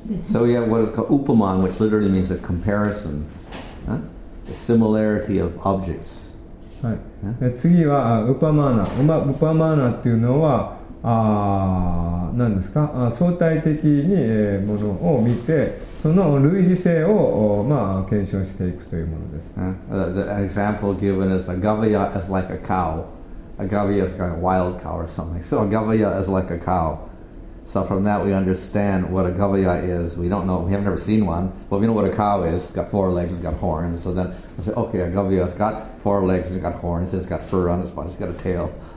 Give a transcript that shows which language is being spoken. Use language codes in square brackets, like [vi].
[en] So we have what is called upaman, which literally means a comparison, a similarity of objects. [ja] はい。次はupamana. upamana っていうのは、何ですか、相対的にものを見て、その類似性を、まあ、検証していくというものです。 [en] The example given is a gavaya is like a cow. A gavaya is like a wild cow or something. So a gavaya is like a cow. So from that we understand what a gavaya is. We don't know, we have never seen one, but we know what a cow is. It's got four legs, it's got horns. So then we say, okay, a gavaya has got four legs, it's got horns, it's got fur on its body, it's got a tail.